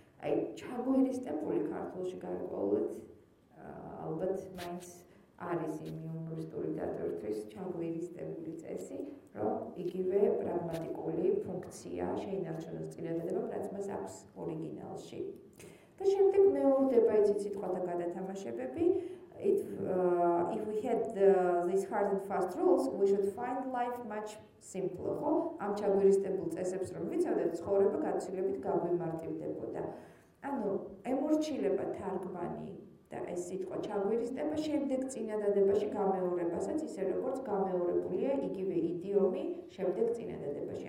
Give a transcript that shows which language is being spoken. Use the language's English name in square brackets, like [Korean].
[Georgian] აი ჩაგვირისტებული ქართულში გარკვეულად ალბათ მაინც არის იმ იუმორისტული დატვირთვის ჩაგვირისტებული წესი, რომ იგივე პრაგმატიკული ფუნქცია შეინარჩუნოს წინადადება, რაც მას აქვს ორიგინალში. და შემდეგ მეორდება ეს სიტყვა და გადათამაშებები. [English] If we had these hard and fast rules, we should find life much simpler. [Georgian] ამ ჩაგვირისტებულ წესებს რომ ვიცავდეთ, ცხოვრება გაცილებით გაგვიმარტივდებოდა. ანუ ემორჩილება თარგმანი და ეს სიტყვა ჩაგვირისტება შემდეგ წინადადებაში გამეორებასაც, ისე როგორც გამეორებულია იგივე იდიომი შემდეგ წინადადებაში.